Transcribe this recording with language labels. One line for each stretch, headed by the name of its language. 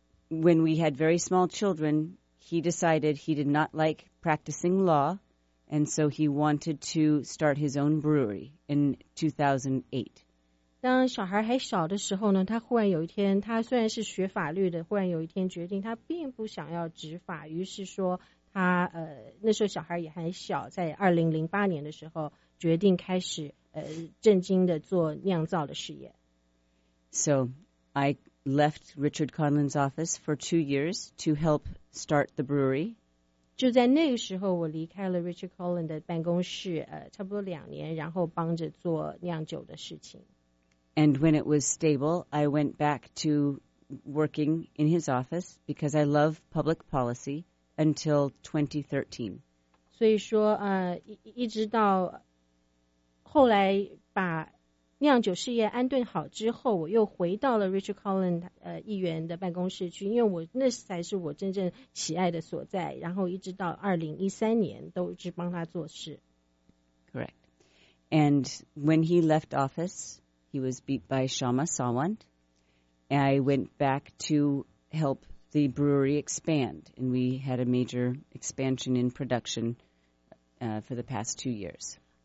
English: When we had very small children, he decided he did not like practicing law, and so he wanted to start his own brewery in 2008.
Chinese: 当小孩还小的时候呢，他忽然有一天，他虽然是学法律的，忽然有一天决定他并不想要执法，于是说他那时候小孩也很小，在2008年的时候决定开始正经的做酿造的事业。
English: So, I... left Richard Conlin's office for 2 years to help start the brewery.
Chinese: 就在那个时候我离开了 Richard Conlin 的办公室差不多两年，然后帮着做酿酒的事情。
English: And when it was stable, I went back to working in his office because I love public policy until 2013.
Chinese: 所以说一直到后来把酿酒事业安顿好之后，我又回到了 Richard Conlin 议员的办公室去，因为我那才是我真正喜爱的所在。然后一直到2013年，都一直帮他做事。
English: Correct. And when he left office, he was beat by Shama Sawant. I went back to help the brewery expand, and we had a major expansion in production for the past 2 years.